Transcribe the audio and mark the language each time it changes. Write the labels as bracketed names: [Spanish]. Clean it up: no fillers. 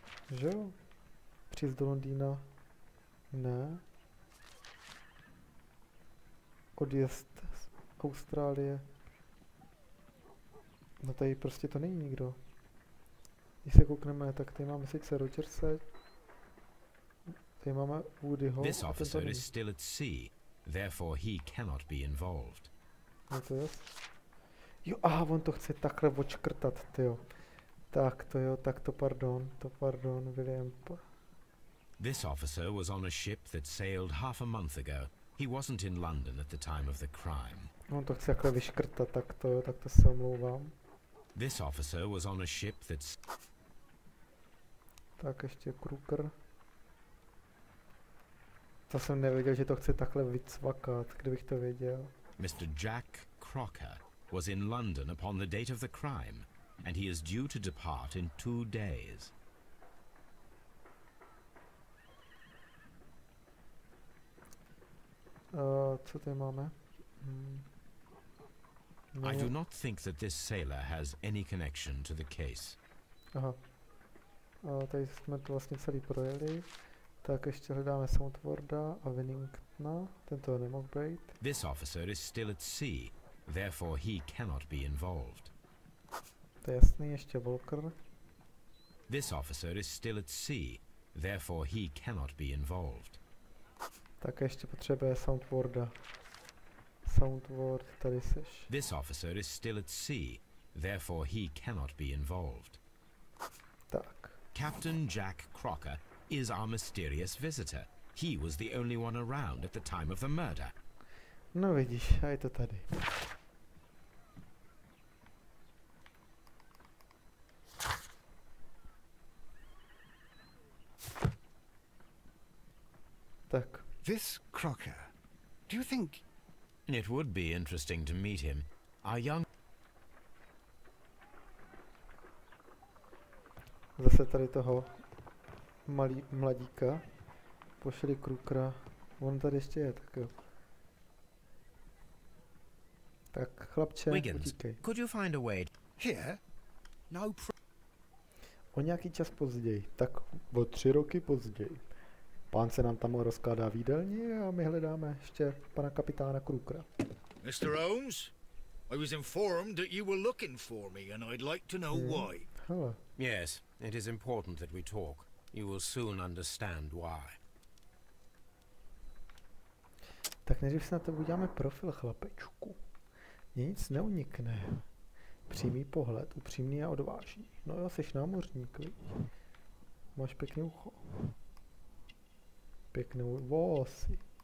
[Czech] Že jo? Přijezd do Londýna? Ne. Odjezd z Austrálie? No tady prostě to není nikdo. Když se koukneme, tak tady máme sice Rogersa. Tady máme Woodyho. [English] This officer is still at sea, therefore he cannot be involved. [Czech] No to je. Jo, aha, on to chce takhle odškrtat, tyjo. Tak to jo, tak to pardon, William. [English] This officer was on a ship that sailed half a month ago. He wasn't in London at the time of the crime. [Czech] On to chce takhle vyškrtat, tak to jo, tak to se omlouvám. [English] This officer was on a ship that's... [Czech] Tak ještě Kruger. To jsem nevěděl, že to chce takhle vycvakat, kdybych to věděl. [English] Mr. Jack Crocker was in London upon the date of the crime, and he is due to depart in 2 days. [Czech] Co tady máme? [English] I do not think that this sailor has any connection to the case. [Czech] Aha. Tady jsme to vlastně celý projeli. Tak ještě hledáme Soundwarda a Winningtona. Tento nemohl být. [English] This officer is still at sea. Therefore he cannot be involved. [Czech] To je jasný, ještě Volker. [English] This officer is still at sea. Therefore he cannot be involved. [Czech] Tak ještě potřebuje Soundwarda. Soundward, tady seš. [English] This officer is still at sea. Therefore he cannot be involved. [Czech] Tak. [English] Captain Jack Crocker is our mysterious visitor. He was the only one around at the time of the murder. [Czech] No vidíš, a je to tady. Tak. [English] This Crocker, do you think... It would be interesting to meet him. Our young... [Czech] Zase tady toho malý mladíka. Pošli Krukra. On tady ještě je, tak jo. Tak, chlapče, Wiggins, utíkej. [English] Could you find a way... Here? [Czech] No pro... O nějaký čas později. Tak, o 3 roky později. Pán se nám tam rozkládá v jídelní a my hledáme ještě pana kapitána Krukra. [English] Mr. Holmes, I was informed that you were looking for me and I'd like to know why. Hello. Yes, it is important that we talk. You will soon understand why. [Czech] Tak nejdřív si na to uděláme profil, chlapečku. Mně nic neunikne. Přímý pohled, upřímný a odvážný. No jo, jsi námořník, vidí. Máš pěkný ucho. Pěkné vosy.